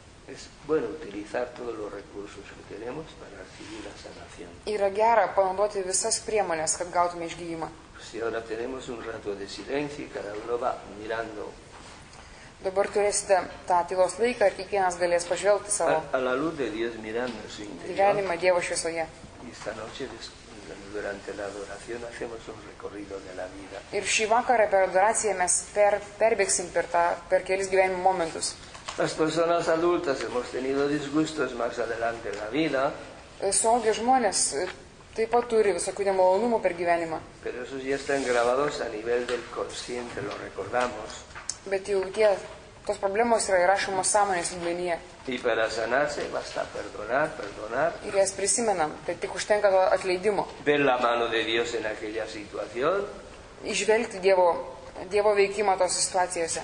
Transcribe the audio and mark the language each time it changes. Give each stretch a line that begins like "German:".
Spanish: Es bueno utilizar todos los recursos que tenemos para recibir la sanación.
Lithuanian: Yra gera panaudoti visas priemones, kad gautume išgyjimą.
Spanish: Si ahora tenemos un rato de silencio y cada uno va mirando.
Lithuanian: Dabar turėsite tą tylos laiką ir kiekvienas galės pažvelgti savo.
Spanish: A la luz de Dios mirando su interior.
Lithuanian: Gyvenimą Dievo šviesoje.
Spanish: Y esta noche durante la adoración hacemos un recorrido de la vida.
Lithuanian: Ir šį vakarą per adoraciją mes perbėgsim per kelis gyvenimo momentus.
Spanish: Las personas adultas hemos tenido disgustos más adelante en la vida.
Lithuanian: Suaugę žmonės taip pat turi visokių nemalonumų per gyvenimą.
Spanish: Pero esos ya están grabados a nivel del consciente, lo recordamos.
Lithuanian: Bet jau tie, tos problemos yra įrašomos sąmonės lygmenyje.
Spanish: Y para sanarse basta perdonar, perdonar.
Lithuanian: Ir jas prisimenam, tai tik užtenka to atleidimo.
Spanish: Ver la mano de Dios en aquella situación.
Lithuanian: Išvelgti Dievo veikimą tos situacijose.